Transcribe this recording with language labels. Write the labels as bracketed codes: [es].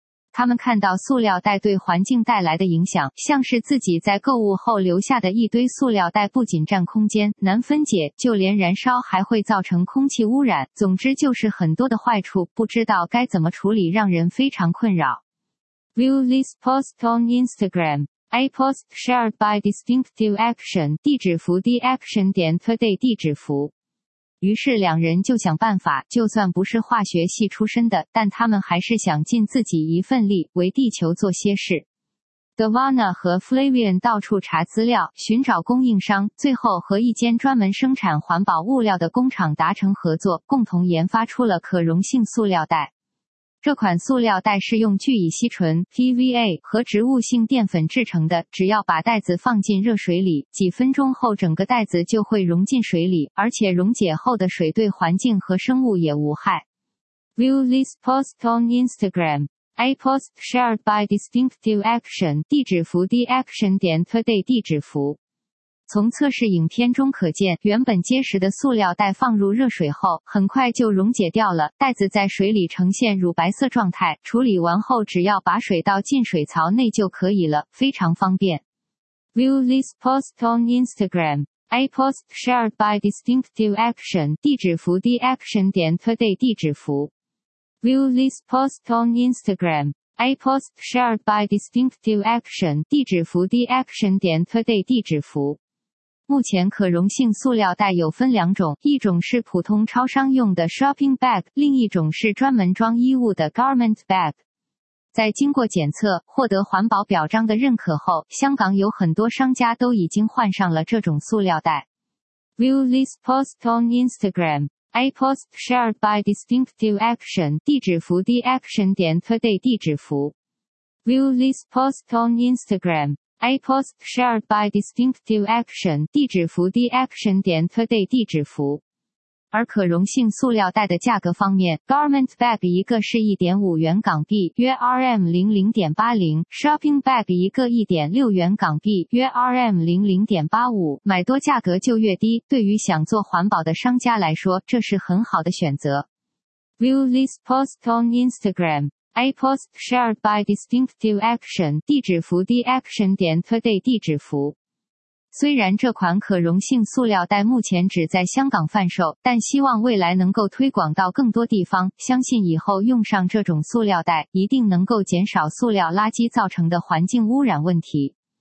[zh] 他们看到塑料袋对环境带来的影响，像是自己在购物后留下的一堆塑料袋，不仅占空间，难分解，就连燃烧还会造成空气污染，总之就是很多的坏处，不知道该怎么处理，让人非常困扰。 [en] View this post on Instagram. A post shared by Distinctive Action. [zh] 地址符 theaction.today 地址符。于是两人就想办法，就算不是化学系出身的，但他们还是想尽自己一份力，为地球做些事。 Devana 和 Flavian 到处查资料，寻找供应商，最后和一间专门生产环保物料的工厂达成合作，共同研发出了可溶性塑料袋。这款塑料袋是用聚乙烯醇 PVA 和植物性淀粉制成的，只要把袋子放进热水里，几分钟后整个袋子就会溶进水里，而且溶解后的水对环境和生物也无害。 [en] View this post on Instagram. A post shared by Distinctive Action. [zh] 地址符 theaction.today 地址符。从测试影片中可见，原本结实的塑料袋放入热水后，很快就溶解掉了，袋子在水里呈现乳白色状态，处理完后只要把水倒进水槽内就可以了，非常方便。 [en] View this post on Instagram. A post shared by Distinctive Action. [zh] 地址符 theaction.today 地址符。 [en] View this post on Instagram. A post shared by Distinctive Action. [zh] 地址符 theaction.today 地址符。目前可溶性塑料袋有分两种，一种是普通超商用的 shopping bag， 另一种是专门装衣物的 garment bag。在经过检测获得环保表彰的认可后，香港有很多商家都已经换上了这种塑料袋。 [en] View this post on Instagram. A post shared by Distinctive Action. [zh] 地址符 theaction.today 地址符。 [en] View this post on Instagram. A post shared by Distinctive Action. [zh] 地址符 theaction.today 地址符。而可溶性塑料袋的价格方面， garment bag 一个是 1.5 元港币，约 RM00.80， shopping bag 一个 1.6 元港币，约 RM00.85， 买多价格就越低，对于想做环保的商家来说，这是很好的选择。 [en] View this post on Instagram. A post shared by Distinctive Action. [zh] 地址符 theaction.today 地址符。虽然这款可溶性塑料袋目前只在香港贩售，但希望未来能够推广到更多地方，相信以后用上这种塑料袋，一定能够减少塑料垃圾造成的环境污染问题。